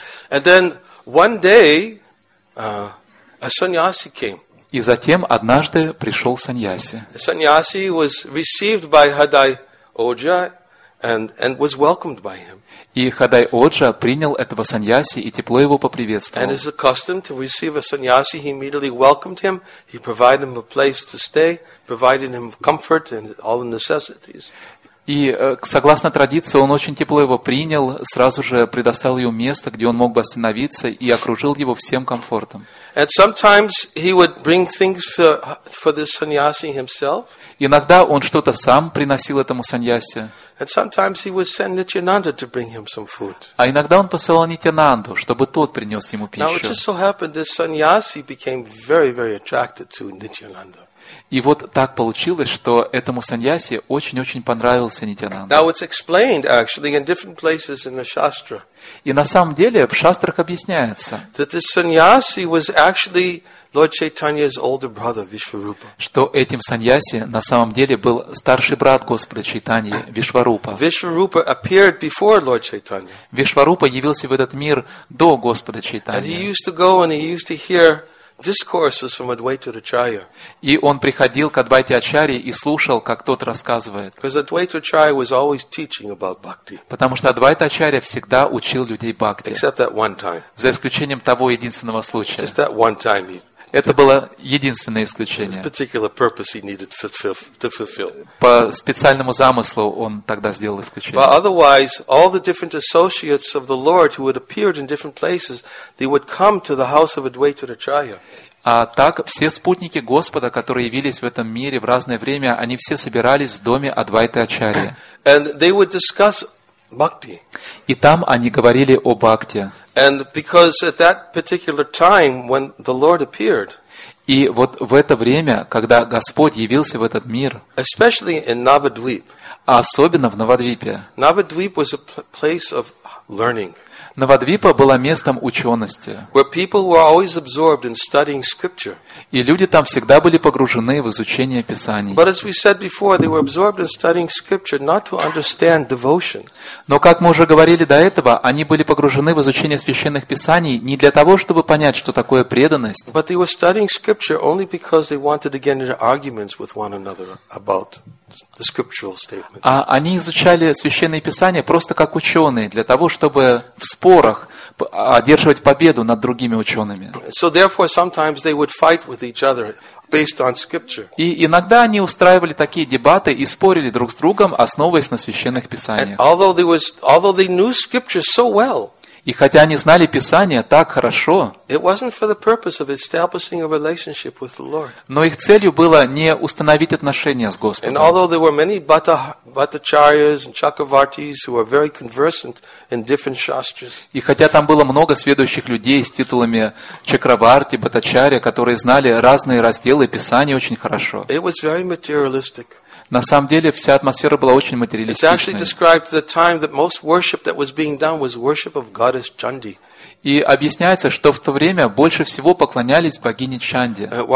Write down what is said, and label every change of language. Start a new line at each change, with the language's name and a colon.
English: And then one day a sannyasi came.
Russian: И затем однажды пришел саньяси.
English: A sannyasi was received by Hadai Oja and was welcomed by him.
Russian: И Хадай Оджа принял этого саньяси и тепло его поприветствовал.
English: And it's a custom to receive a sannyasi, he immediately welcomed him, he provided him a place to stay, provided him comfort and all the necessities.
Russian: И согласно традиции, он очень тепло его принял, сразу же предоставил ему место, где он мог бы остановиться, и окружил его всем комфортом.
English: And sometimes he would bring things for the sannyasi himself.
Russian: Иногда он что-то сам приносил этому саньяси.
English: And sometimes he would send Nityananda to bring him some food.
Russian: А иногда он посылал Нитянанду, чтобы тот принес ему пищу.
English: Now it just so happened that sannyasi became very, very attracted to Nityananda.
Russian: И вот так получилось, что этому саньяси очень-очень понравился Нитянанда.
English: Now it's explained actually in different places in the Shastra.
Russian: И на самом деле в шастрах объясняется,
English: that the sannyasi was actually Lord Chaitanya's older brother, Vishwarupa.
Russian: Что этим саньяси на самом деле был старший брат Господа Чайтаньи, Вишварупа.
English: Vishwarupa appeared before Lord Chaitanya.
Russian: Вишварупа явился в этот мир до Господа Чайтаньи.
English: And he used to go and he used to hear discourses from Advaita Acharya.
Russian: И он приходил к Адвайте Ачарье и слушал, как тот рассказывает.
English: Because Advaita Acharya was always teaching about bhakti.
Russian: Потому что Адвайта Ачарья всегда учил людей бхакти.
English: Except that one time.
Russian: За исключением того единственного случая.
English: Just that one time.
Russian: Это было единственное исключение.
English: Particular purpose he needed to fulfill.
Russian: По специальному замыслу он тогда сделал исключение.
English: But otherwise, all the different associates of the Lord who had appeared in different places, they would come to the house of Advaita Acharya.
Russian: А так все спутники Господа, которые явились в этом мире в разное время, они все собирались в доме Адвайты Ачарьи.
English: And they would discuss bhakti.
Russian: И там они говорили о бхакти.
English: And because at that particular time when the Lord appeared,
Russian: и вот в это время, когда Господь явился в этот мир,
English: especially in Navadvip,
Russian: особенно в Навадвипе,
English: Navadvip was a place of learning.
Russian: Навадвипа было местом учености,
English: where people were always absorbed in studying scripture.
Russian: И люди там всегда были погружены в изучение Писаний.
English: But as we said before, they were absorbed in studying scripture not to understand devotion.
Russian: Но как мы уже говорили до этого, они были погружены в изучение священных Писаний не для того, чтобы понять, что такое преданность.
English: But they were studying scripture only because they wanted to get into arguments with one another about the scriptural statement.
Russian: А они изучали священные Писания просто как ученые для того, чтобы в спорах одерживать победу над другими учеными.
English: So therefore, sometimes they would fight with each other based on scripture.
Russian: И иногда они устраивали такие дебаты и спорили друг с другом, основываясь на священных Писаниях.
English: Although they knew scripture so well.
Russian: И хотя они знали Писание так хорошо,
English: it wasn't for the purpose of establishing a relationship with the Lord.
Russian: Но их целью было не установить отношения с Господом.
English: And although there were many Bhattacharyas and Chakravartis who were very conversant in different shastras.
Russian: И хотя там было много сведущих людей с титулами Чакраварти, Бхаттачарья, которые знали разные разделы Писания очень хорошо.
English: It was very materialistic.
Russian: На самом деле, вся атмосфера была очень материалистичной. И объясняется, что в то время больше всего поклонялись богине Чанди.